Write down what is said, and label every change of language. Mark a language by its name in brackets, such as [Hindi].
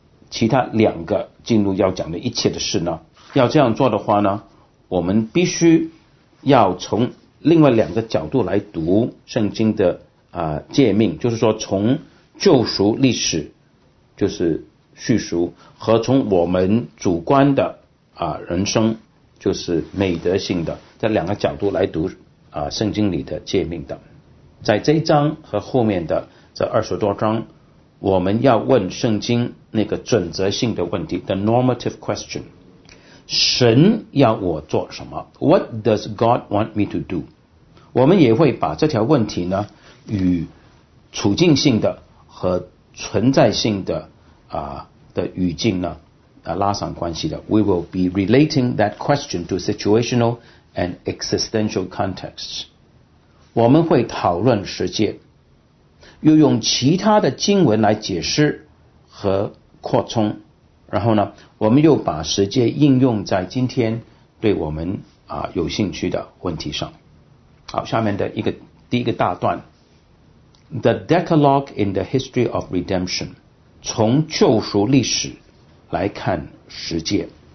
[Chinese] 其他两个进入要讲的一切的事呢，要这样做的话呢，我们必须要从另外两个角度来读圣经的诫命，就是说从救赎历史就是叙述，和从我们主观的人生就是美德性的，这两个角度来读圣经里的诫命的。在这一章和后面的这二十多章，我们要问圣经那个准则性的问题 [English] The normative question， [Chinese] 神要我做什么？ [English] What does God want me to do？ [Chinese] 我们也会把这条问题呢与处境性的和存在性的的语境呢拉上关系的。 [English] We will be relating that question to situational and existential contexts。 [Chinese] 我们会讨论世界，又用其他的经文来解释和扩充，然后呢我们又把实际应用在今天对我们有兴趣的问题上。好，下面的第一个大段， [English] The Decalogue in the History of Redemption， [Chinese] 从救赎历史来看实际。